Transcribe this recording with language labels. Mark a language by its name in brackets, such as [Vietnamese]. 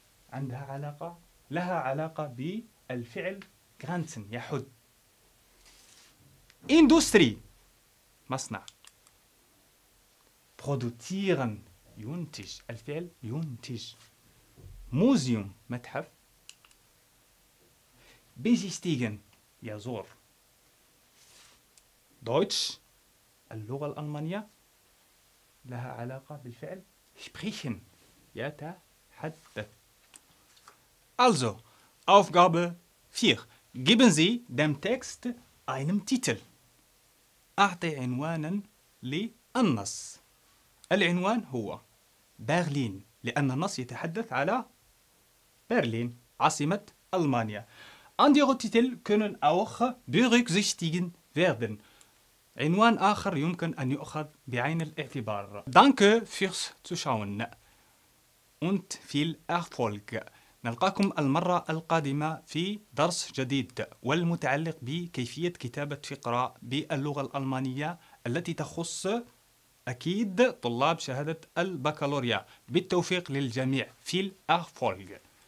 [Arabic] عندها علاقة، لها علاقة بالفعل grenzen يحد، industry مصنع، produzieren ينتج الفعل ينتج، museum متحف، besichtigen يزور، deutsch اللغة الألمانية لها علاقة بالفعل sprechen يتحدث. [German] Also, Aufgabe 4. Geben Sie dem Text einen Titel. [Arabic] أعطي عنوانا للنص. العنوان هو برلين، لأن النص يتحدث على برلين، عاصمة ألمانيا. [German] Andere Titel können auch berücksichtigen werden. [Arabic] عنوان آخر يمكن أن يؤخذ بعين الاعتبار. [German] Danke fürs Zuschauen und viel Erfolg. [Arabic] نلقاكم المرة القادمة في درس جديد والمتعلق بكيفية كتابة فقرة باللغة الألمانية التي تخص أكيد طلاب شهادة البكالوريا. بالتوفيق للجميع. في الأخفولج.